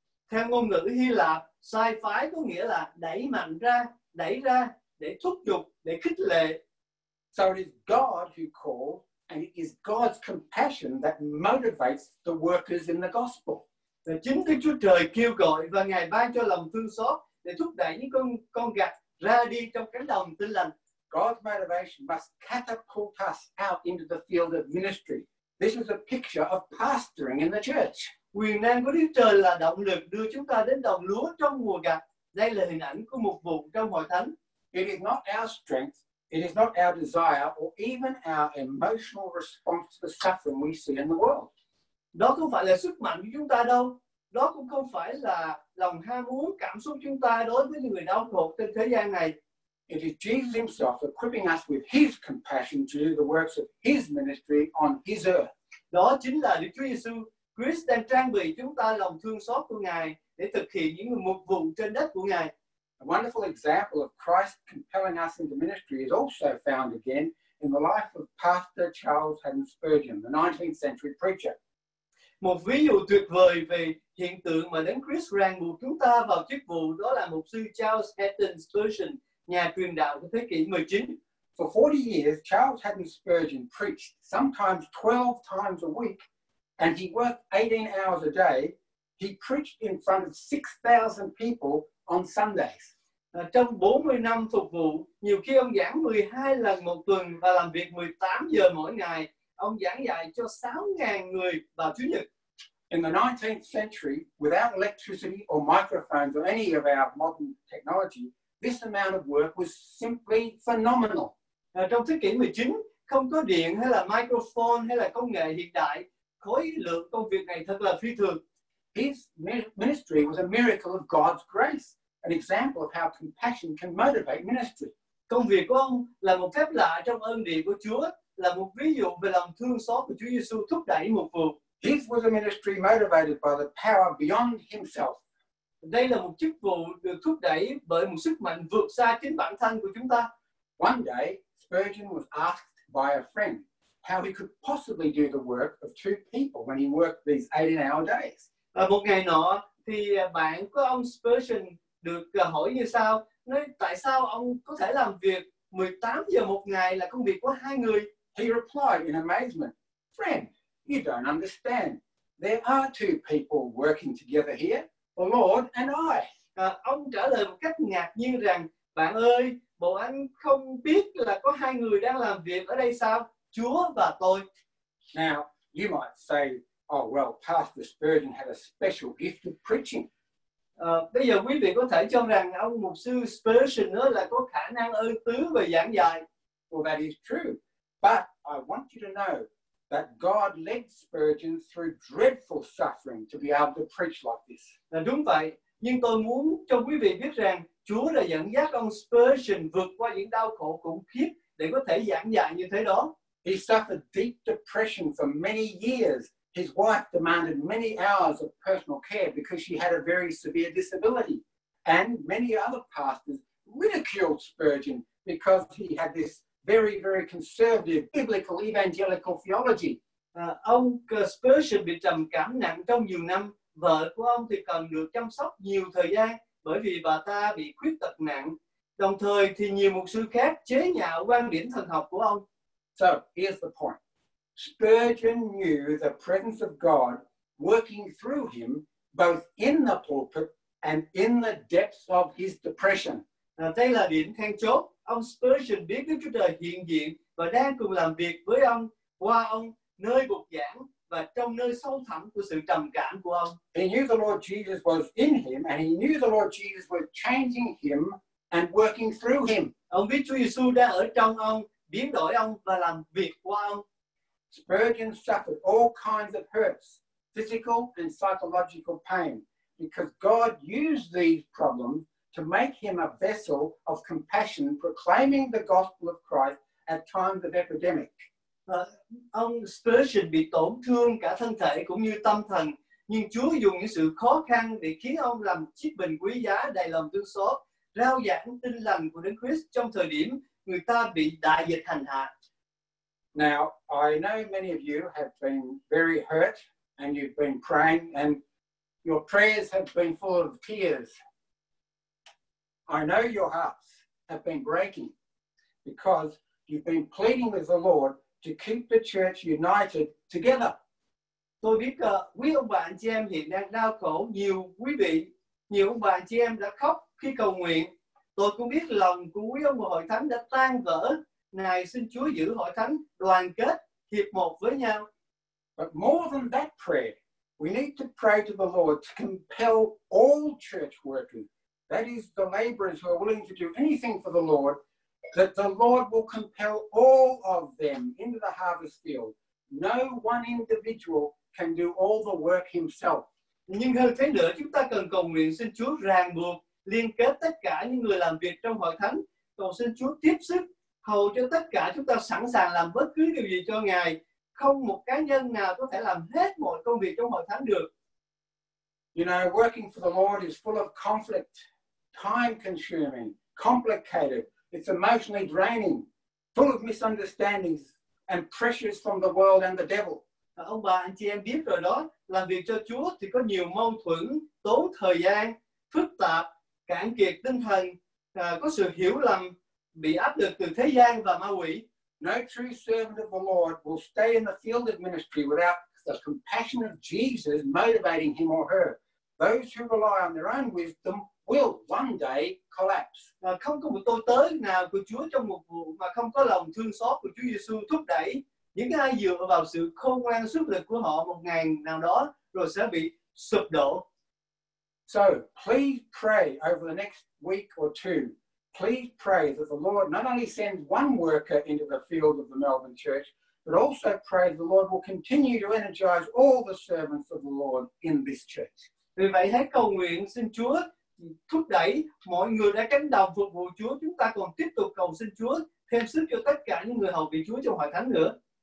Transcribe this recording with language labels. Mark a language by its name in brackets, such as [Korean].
[Vietnamese] Theo ngôn ngữ Hy Lạp, sai phái có nghĩa là đẩy mạnh ra, đẩy ra, để thúc giục, để khích lệ. [English] So it is God who calls, and it is God's compassion that motivates the workers in the gospel. [Vietnamese] Và chính Đức Chúa Trời kêu gọi và Ngài ban cho lòng thương xót để thúc đẩy những con gặt ra đi trong cánh đồng tin lành. [English] God's motivation must catapult us out into the field of ministry. This is a picture of pastoring in the church. [Vietnamese] Quyền năng của Đức Trời là động lực đưa chúng ta đến đồng lúa trong mùa gặt. Đây là hình ảnh của mục vụ trong Hội Thánh. [English] It is not our strength, it is not our desire, or even our emotional response to the suffering we see in the world. [Vietnamese] Đó không phải là sức mạnh của chúng ta đâu. Đó cũng không phải là lòng ham muốn, cảm xúc chúng ta đối với những người đau khổ trên thế gian này. [English] It is Jesus Himself equipping us with His compassion to do the works of His ministry on His earth. [Vietnamese] Đó chính là Đức Chúa Giêsu Christ đang trang bị chúng ta lòng thương xót của Ngài để thực hiện những mục vụ trên đất của Ngài. [English] A wonderful example of Christ compelling us into ministry is also found again in the life of Pastor Charles Haddon Spurgeon, the 19th century preacher. [Vietnamese] Một ví dụ tuyệt vời về hiện tượng mà đấng Christ ràng buộc chúng ta vào chức vụ đó là mục sư Charles Haddon Spurgeon, nhà truyền đạo của thế kỷ 19. [English] For 40 years, Charles Haddon Spurgeon preached sometimes 12 times a week, and he worked 18 hours a day. He preached in front of 6,000 people on Sundays. [Vietnamese] Trong 40 năm phục vụ, nhiều khi ông giảng 12 lần một tuần và làm việc 18 giờ mỗi ngày. Ông giảng dạy cho 6,000 người vào Chủ nhật. [English] In the 19th century, without electricity or microphones or any of our modern technology, this amount of work was simply phenomenal. [Vietnamese] Trong thế kỷ 19, không có điện hay là microphone hay là công nghệ hiện đại, khối lượng công việc này thật là phi thường. [English] His ministry was a miracle of God's grace, an example of how compassion can motivate ministry. [Vietnamese] Công việc của ông là một phép lạ trong ân điển của Chúa, là một ví dụ về lòng thương xót của Chúa Giêsu thúc đẩy một vụ. [English] His was a ministry motivated by the power beyond himself. [Vietnamese] Đây là một chức vụ được thúc đẩy bởi một sức mạnh vượt xa chính bản thân của chúng ta. [English] One day, Spurgeon was asked by a friend how he could possibly do the work of two people when he worked these 18-hour days. [Vietnamese] Một ngày nọ, thì bạn của ông Spurgeon được hỏi như sau, nói tại sao ông có thể làm việc 18 giờ một ngày là công việc của hai người. [English] He replied in amazement, "Friend, you don't understand. There are two people working together here. The Lord and I." [Vietnamese] Ông trả lời một cách ngạc nhiên rằng, bạn ơi, bộ anh không biết là có hai người đang làm việc ở đây sao? Chúa và tôi. [English] Now, you might say, oh well, Pastor Spurgeon had a special gift of preaching. [Vietnamese] Bây giờ quý vị có thể cho rằng ông mục sư Spurgeon đó là có khả năng ơn tứ về giảng dạy. [English] Well, that is true. But I want you to know that God led Spurgeon through dreadful suffering to be able to preach like this. [Vietnamese] Là đúng vậy. Nhưng tôi muốn cho quý vị biết rằng Chúa đã dẫn dắt ông Spurgeon vượt qua những đau khổ khủng khiếp để có thể giảng dạy như thế đó. [English] He suffered deep depression for many years. His wife demanded many hours of personal care because she had a very severe disability. And many other pastors ridiculed Spurgeon because he had this very, very conservative biblical evangelical theology. [Vietnamese] Ông Spurgeon bị trầm cảm nặng trong nhiều năm. Vợ của ông thì cần được chăm sóc nhiều thời gian bởi vì bà ta bị khuyết tật nặng. Đồng thời thì nhiều mục sư khác chế nhạo quan điểm thần học của ông. [English] So, here's the point. Spurgeon knew the presence of God working through him both in the pulpit and in the depths of his depression. [Vietnamese] Đây là điểm then chốt. Ông Spurgeon biết Đức Chúa Trời hiện diện và đang cùng làm việc với ông, qua ông, nơi bục giảng và trong nơi sâu thẳm của sự trầm cảm của ông. [English] He knew the Lord Jesus was in him and he knew the Lord Jesus was changing him and working through him. [Vietnamese] Ông biết Chúa Giêsu đang ở trong ông, biến đổi ông và làm việc qua ông. [English] Spurgeon suffered all kinds of hurts, physical and psychological pain, because God used these problems to make him a vessel of compassion, proclaiming the gospel of Christ at times of epidemic. [Vietnamese] Ông Spurgeon bị tổn thương cả thân thể cũng như tâm thần, nhưng Chúa dùng những sự khó khăn để khiến ông làm chiếc bình quý giá đầy lòng thương xót, rao giảng tin lành của Đức Christ trong thời điểm người ta bị đại dịch hành hạ. [English] Now, I know many of you have been very hurt and you've been praying and your prayers have been full of tears. I know your hearts have been breaking because you've been pleading with the Lord to keep the church united together. [Vietnamese] Tôi biết quý ông bà anh chị em hiện đang đau khổ, nhiều quý vị, nhiều ông bà anh chị em đã khóc khi cầu nguyện. Tôi cũng biết lòng của quý ông hội thánh đã tan vỡ. Ngài xin Chúa giữ hội thánh đoàn kết, hiệp một với nhau. [English] But more than that prayer, we need to pray to the Lord to compel all church workers, that is the laborers who are willing to do anything for the Lord, that the Lord will compel all of them into the harvest field. No one individual can do all the work himself. [Vietnamese] Nhưng hơn thế nữa, chúng ta cần cầu nguyện xin Chúa ràng buộc, liên kết tất cả những người làm việc trong hội thánh. Cầu xin Chúa tiếp sức, hầu cho tất cả chúng ta sẵn sàng làm bất cứ điều gì cho Ngài. Không một cá nhân nào có thể làm hết mọi công việc trong hội thánh được. [English] You know, working for the Lord is full of conflict, time-consuming, complicated. It's emotionally draining, full of misunderstandings and pressures from the world and the devil. [Vietnamese] Ông bà anh chị em biết rồi đó, làm việc cho Chúa thì có nhiều mâu thuẫn, tốn thời gian, phức tạp, cạn kiệt tinh thần, có sự hiểu lầm, bị áp lực từ thế gian và ma quỷ. [English] No true servant of the Lord will stay in the field of ministry without the compassion of Jesus motivating him or her. Those who rely on their own wisdom will one day collapse. [Vietnamese] Không có một tôi tớ nào của Chúa trong một vụ mà không có lòng thương xót của Chúa Giêsu thúc đẩy. Những ai dựa vào sự khôn ngoan sức lực của họ một ngày nào đó rồi sẽ bị sụp đổ. [English] So, please pray over the next week or two. Please pray that the Lord not only sends one worker into the field of the Melbourne Church, but also pray the Lord will continue to energize all the servants of the Lord in this church. [Vietnamese] Vì vậy hãy cầu nguyện xin Chúa thúc đẩy mọi người đã cánh đồng phục vụ Chúa. Chúng ta còn tiếp tục cầu xin Chúa thêm sức cho tất cả những người hầu vị Chúa trong hội thánh nữa.